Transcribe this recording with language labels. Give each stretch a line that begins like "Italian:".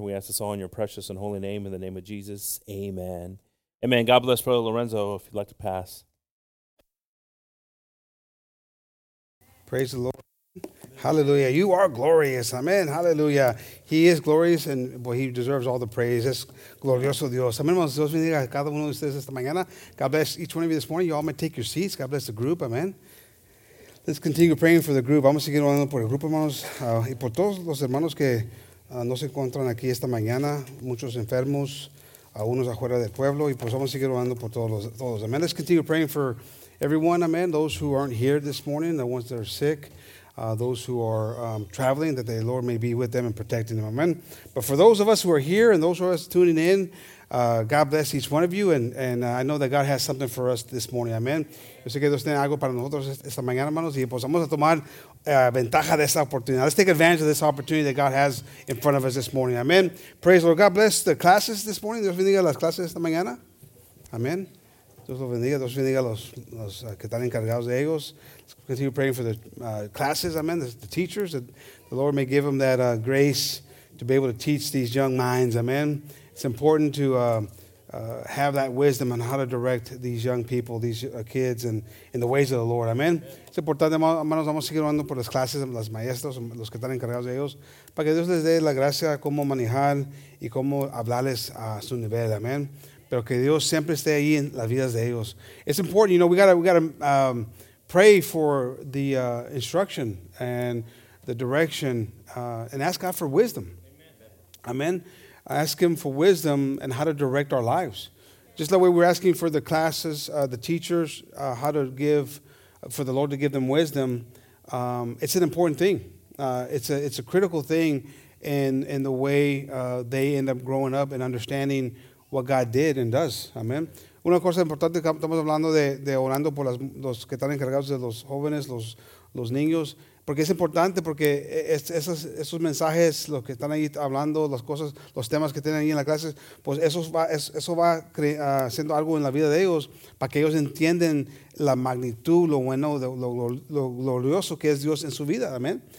English: We ask this all in your precious and holy name, in the name of Jesus. Amen. Amen. God bless Brother Lorenzo, if you'd like to pass. Praise the Lord. Hallelujah. You are glorious. Amen. Hallelujah. He is glorious, and boy, he deserves all the praise.
Spanish: Es glorioso Dios. Amen. Dios bendiga a cada uno de ustedes esta mañana.
English: God bless each one of you this morning. You all may take your seats. God bless the group. Amen. Let's continue praying for the group.
Spanish: Vamos a seguir orando por el grupo, hermanos, y por todos los hermanos que no se encuentran aquí esta mañana. Muchos enfermos, algunos afuera del pueblo, y pues vamos a seguir orando por todos.
English: Amen. Let's continue praying for everyone. Amen. Those who aren't here this morning, the ones that are sick. Those who are traveling, that the Lord may be with them and protecting them. Amen. But for those of us who are here and those of us tuning in, God bless each one of you. And I know that God has something for us this morning. Amen.
Spanish: Yo sé que Dios tiene algo para nosotros esta mañana, hermanos. Y pues vamos a tomar ventaja de esta oportunidad.
English: Let's take advantage of this opportunity that God has in front of us this morning. Amen. Praise the Lord. God bless the classes this morning.
Spanish: Dios bendiga las clases esta mañana.
English: Amen.
Spanish: Dios bendiga los que están encargados de ellos.
English: Continue praying for the classes, amen, the teachers, that the Lord may give them that grace to be able to teach these young minds, amen. It's important to have that wisdom on how to direct these young people, these kids, and in the ways of the Lord, amen.
Spanish: Es importante, hermanos, vamos a seguir orando por las clases, las maestras, los que están encargados de ellos, para que Dios les dé la gracia cómo manejar y cómo hablarles a su nivel, amen. Pero que Dios siempre esté ahí en las vidas de ellos.
English: It's important, you know, we gotta pray for the instruction and the direction and ask God for wisdom. Amen. Amen. Ask him for wisdom and how to direct our lives. Just the way we're asking for the classes, the teachers, how to give, for the Lord to give them wisdom. It's an important thing. It's a critical thing in the way they end up growing up and understanding what God did and does. Amen.
Spanish: Una cosa importante, estamos hablando de orando por los que están encargados de los jóvenes, los niños, porque es importante, porque esos mensajes, los que están ahí hablando, las cosas, los temas que tienen ahí en la clase, pues eso va haciendo algo en la vida de ellos, para que ellos entiendan la magnitud, lo bueno, lo glorioso que es Dios en su vida, amén.